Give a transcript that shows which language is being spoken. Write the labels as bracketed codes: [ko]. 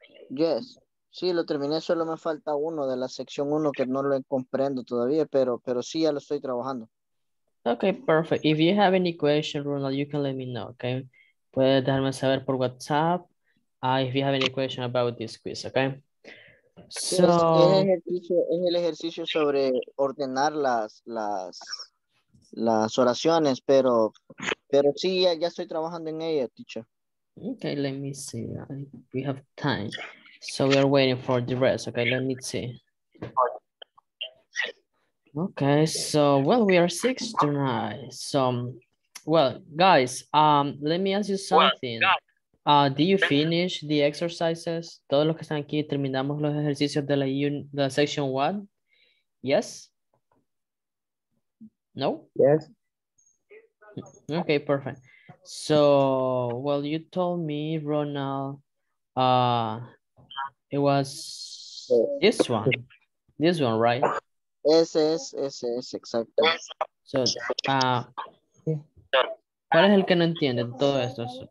[es] Yes, sí, lo terminé, solo me falta uno de la sección 1 que no lo comprendo todavía, pero sí, ya lo estoy trabajando. [en] Okay, perfect. If you have any question, Ronald, you can let me know, okay? [es] Puedes dejarme saber por [en] WhatsApp if you have any question about this quiz, okay? [es] So, es el ejercicio sobre ordenar las oraciones, pero sí, ya estoy trabajando en ella, teacher. [en] Okay, let me see. We have time. So we are waiting for the rest. Okay, let me see. Okay, so, well, we are 6 tonight. So, well, guys, let me ask you something. Do you finish the exercises? [es] Todos los que están aquí, ¿terminamos los ejercicios de la section 1? [en] Yes? No? Yes. Okay, perfect. So, well, you told me, Ronald, it was this one. This one, right? [es] Ese es, exacto. So, ¿cuál es el que no entiende todo esto?